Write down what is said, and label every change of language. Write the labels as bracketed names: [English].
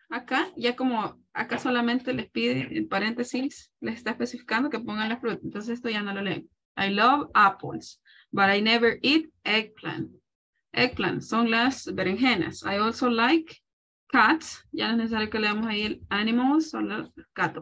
[Spanish] Acá, ya como acá solamente les pide, en paréntesis, les está especificando que pongan la fruta. Entonces esto ya no lo leen. [English] I love apples, but I never eat eggplant. [Spanish] Eggplant son las berenjenas. [English] I also like cats. [Spanish] Ya no es necesario que leamos ahí el animals, solo gato.